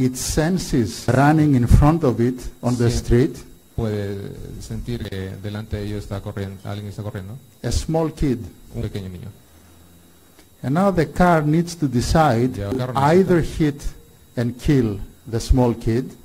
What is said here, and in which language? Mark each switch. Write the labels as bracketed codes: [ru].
[en] it senses running in front of it on the street, [es] puede sentir que delante de ellos está corriendo alguien, está corriendo [en] a small kid, [es] un pequeño niño, [en] and now the car needs to decide either hit and kill the small kid.